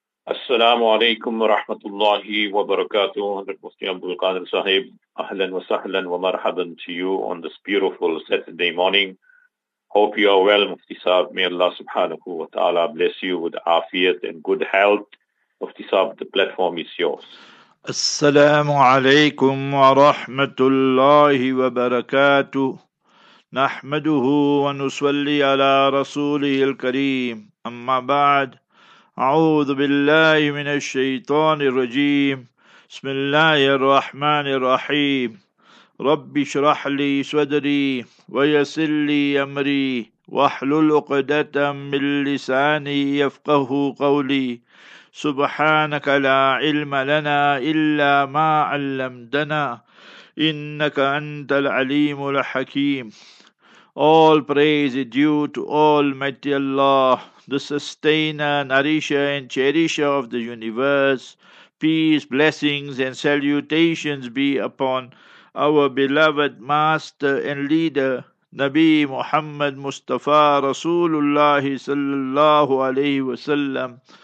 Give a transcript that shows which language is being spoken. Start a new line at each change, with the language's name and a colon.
Arabic: السلام عليكم ورحمة الله وبركاته. حضرت مفتي عبد القادر صاحب، أهلا وسهلا ومرحبا
English: to you on this beautiful Saturday morning. Hope you are well, مفتي صاحب. May Allah subhanahu wa ta'ala bless you with afiyat and good health. مفتي صاحب, the platform is yours.
Arabic: السلام عليكم ورحمة الله وبركاته. نحمده ونصلي على رسوله الكريم. أما بعد, أعوذ بالله من الشيطان الرجيم. بسم الله الرحمن الرحيم. رب اشرح لي صدري ويسر لي أمري واحلل عقدة من لساني يفقه قولي. سبحانك لا علم لنا إلا ما علمتنا إنك أنت العليم الحكيم.
English: All praise is due to Almighty Allah, the sustainer, nourisher and cherisher of the universe. Peace, blessings and salutations be upon our beloved master and leader, Nabi Muhammad Mustafa Rasulullah sallallahu alayhi wa sallam.